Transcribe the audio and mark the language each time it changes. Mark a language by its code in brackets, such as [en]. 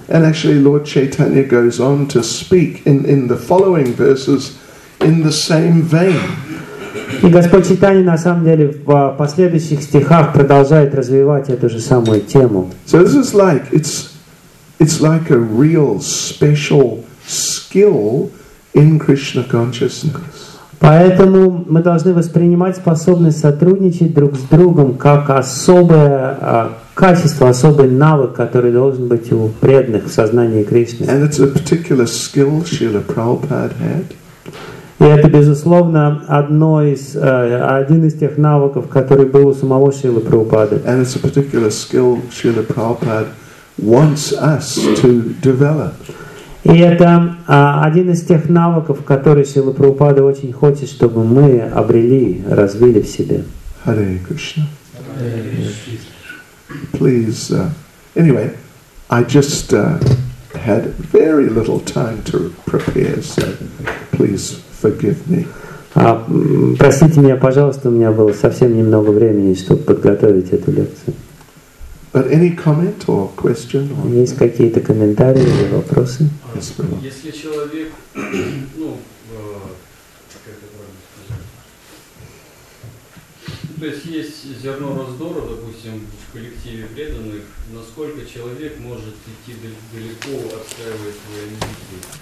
[en] And actually Lord Chaitanya goes on to speak in the following verses in the same vein. [ru] И Господь Чайтанья на самом деле в последующих стихах продолжает развивать эту же самую тему. [en] So this is like it's like a real special skill in Krishna consciousness. [ru] Поэтому мы должны воспринимать способность сотрудничать друг с другом как особое качество, особый навык, который должен быть у преданных в сознании Кришны. [en] And it's a particular skill Srila Prabhupada had. [ru] И это, безусловно, один из тех навыков, который был у самого Шрилы Прабхупады. [en] And it's a particular skill Srila Prabhupada wants us to develop. [ru] И это один из тех навыков, которые Шрила Прабхупада очень хочет, чтобы мы обрели, развили в себе. [en] Hare Krishna. Please. Anyway, I just had very little time to prepare, so please forgive me. [ru] Простите меня, пожалуйста, у меня было совсем немного времени, чтобы подготовить эту лекцию. [en] But any comment or question? [ru] Есть какие-то комментарии или вопросы? Если человек, как это правильно сказать, то есть есть зерно раздора, допустим, в коллективе преданных, насколько человек может идти далеко, отстаивая свои идеи?